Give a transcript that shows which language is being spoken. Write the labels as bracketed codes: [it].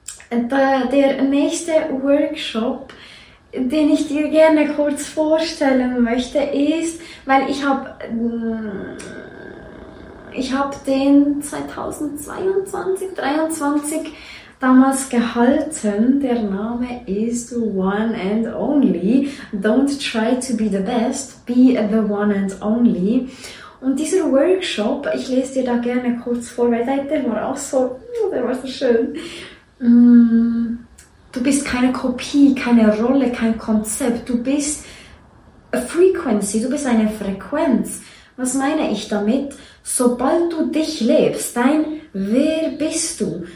[de] Der nächste Workshop, den ich dir gerne kurz vorstellen möchte, ist, weil ich habe den 2022/23 damals gehalten. Der Name ist One and Only. [en] Don't try to be the best, be the one and only. [de] Und dieser Workshop, ich lese dir da gerne kurz vor, weil der war so schön. Du bist keine Kopie, keine Rolle, kein Konzept. Du bist [en] a frequency, [de] du bist eine Frequenz. Was meine ich damit? Sobald du dich lebst, dein Wer bist du?